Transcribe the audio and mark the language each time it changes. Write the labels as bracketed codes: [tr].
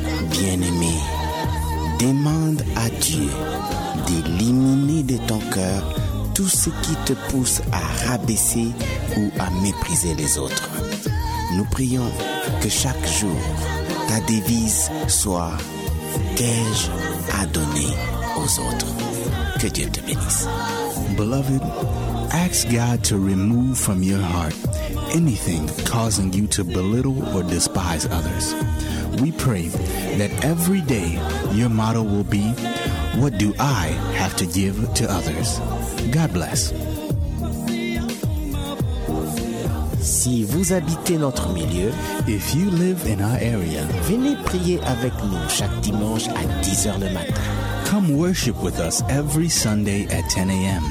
[fr] Bien-aimé, demande à Dieu d'éliminer de ton cœur tout ce qui te pousse à rabaisser ou à mépriser les autres. Nous prions que chaque jour, ta devise soit « Qu'ai-je à donner aux autres ?» Que Dieu te bénisse. [en] Beloved, ask God to remove from your heart anything causing you to belittle or despise others. We pray that every day your motto will be, what do I have to give to others? God bless. [fr] Si vous habitez notre milieu, [en] if you live in our area, [fr] venez prier avec nous chaque dimanche à 10h le matin. [en] Come worship with us every Sunday at 10 a.m.